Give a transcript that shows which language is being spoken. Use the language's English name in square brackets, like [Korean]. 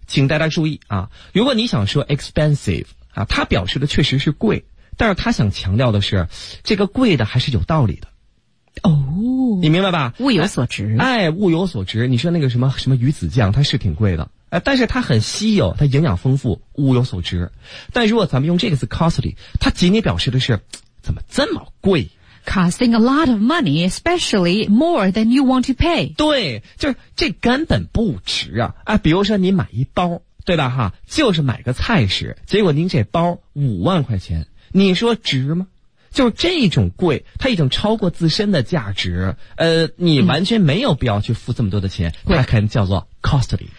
[Chinese] 请大家注意啊，如果你想说 expensive 啊，它表示的确实是贵，但是它想强调的是，这个贵的还是有道理的。哦，你明白吧？物有所值，哎，物有所值。你说那个什么鱼子酱，它是挺贵的，哎，但是它很稀有，它营养丰富，物有所值。但如果咱们用这个词 costly， 它仅仅表示的是怎么这么贵 [English] ？Costing a lot of money, especially more than you want to pay。 [Chinese] 对，就是这根本不值啊！哎，比如说你买一包，对吧？哈，就是买个菜食，结果您这包50000块钱，你说值吗？就是这种贵，它已经超过自身的价值，你完全没有必要去付这么多的钱，它可能叫做 costly。